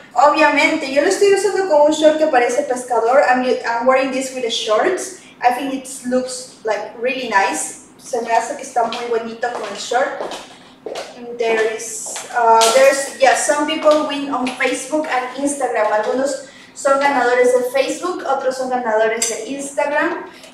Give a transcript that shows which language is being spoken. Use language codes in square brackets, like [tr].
[es] Obviamente, yo lo estoy usando con un short que parece pescador. [en] I'm wearing this with a short. I think it looks like really nice. [es] Se me hace que está muy bonito con el short. [en] There's some people win on Facebook and Instagram. [es] Algunos son ganadores de Facebook, otros son ganadores de Instagram.